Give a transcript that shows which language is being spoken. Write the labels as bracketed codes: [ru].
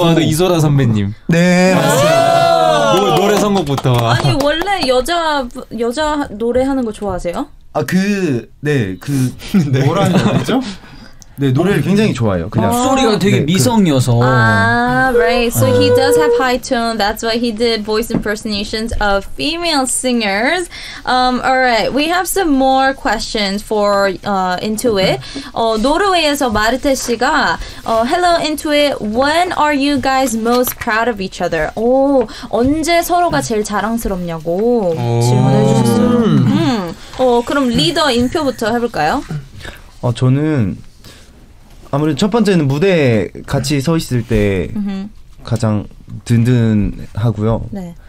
[ko] 봐도 이소라 선배님. 네 맞습니다. 노래 선곡부터. 아니 원래 여자 노래 하는 거 좋아하세요? 아 그 네 그 뭐라는 거죠? 네, 노래를 굉장히 좋아해요. 그냥 목소리가 되게 네, 미성이어서. [en] 그... 아, right. So he does have high tone. That's why he did voice impersonations of female singers. All right. We have some more questions for Intuit. [ko] 노르웨이에서 마르테 씨가 hello Intuit. [en] When are you guys most proud of each other? [ko] 오, 언제 서로가 제일 자랑스럽냐고 질문해주셨어요. 그럼 리더 인표부터 해볼까요? 저는 아무래도 첫 번째는 무대에 같이 서 있을 때 가장 든든하고요. 네.